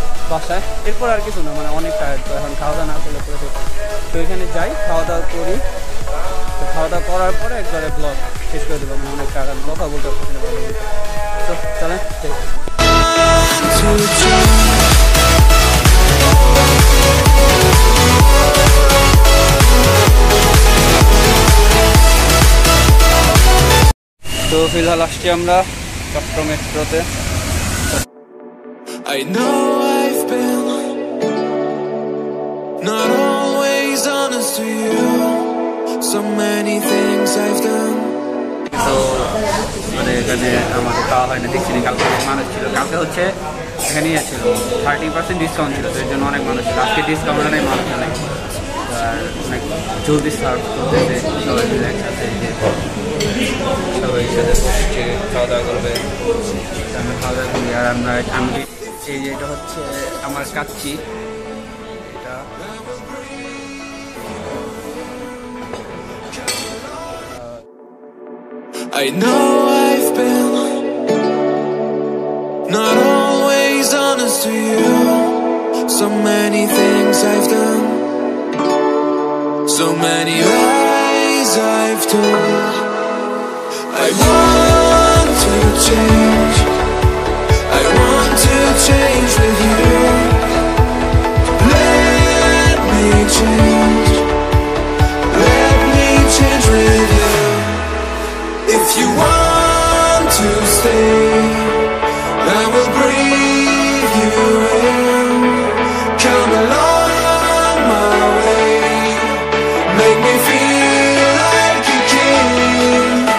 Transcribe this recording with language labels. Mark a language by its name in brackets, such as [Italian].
[Bangla] বাসায়, এরপর আর কিছু না, মানে অনেক টায়ার্ড তো এখন খাওয়া দাওয়া না করলে পরে দেখো, তো ওইখানে যাই খাওয়া দাওয়া করি, তো খাওয়া দাওয়া করার পরে একবারে ব্লগ শেষ করে দেবো, মানে অনেক টাকা ব্লগ হবে বলতে পারছি না, তো চলেন তো ফিলহাল আসছি আমরা চট্টগ্রাম মেট্রোতে। [English] I know I've been not always honest to you, so many things I've done. [Bangla] So, মানে এখানে আমাকে খাওয়া হয়নি, দেখছিলেন কালকে মানুষ ছিল, কালকে হচ্ছে এখানেই আছিল 30% ডিসকাউন্ট ছিল, তো এর জন্য অনেক মানুষ ছিল, আজকে ডিসকাউন্ট নেই মানুষ নেই, আর অনেক জলদি সার্ভ করতে যে সবাই মিলে একসাথে যে সবাই একসাথে বসছে খাওয়া দাওয়া করবে, আমি খাওয়া দাওয়া করি, আর আমরা আমি এই যে এটা হচ্ছে আমার কাচ্চি, এটা [English] I know I've been not always honest to you, so many things I've done, so many ways I've told, I want to change, I want to change with you, let me change, let me change with you. If you want to stay, I will breathe you in. Come along my way, make me feel like a king.